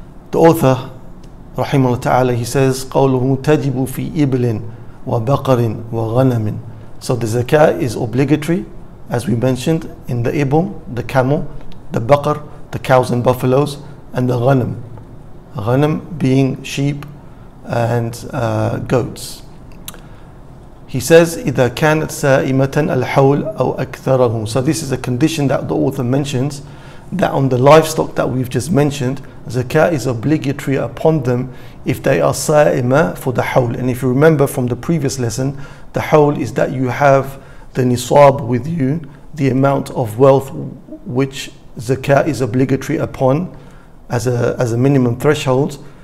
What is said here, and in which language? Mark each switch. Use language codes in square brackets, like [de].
[en] The author, rahimahullah ta'ala, he says, [ar] قَوْلُهُ تَجِبُ فِي إِبْلٍ وَبَقَرٍ وَغَنَمٍ. [en] So the zakah is obligatory, as we mentioned, in the ibum, the camel, the baqar, the cows and buffaloes, and the ghanam. Ghanam being sheep and goats. He says, [ar] إِذَا كَانَتْ سَائِمَةً الْحَوْلَ أَوْ أَكْثَرَهُ. [en] So this is a condition that the author mentions, that on the livestock that we've just mentioned, zakah is obligatory upon them if they are sa'ima for the hawl. And if you remember from the previous lesson, the hawl is that you have the nisab with you, the amount of wealth which zakah is obligatory upon as a minimum threshold.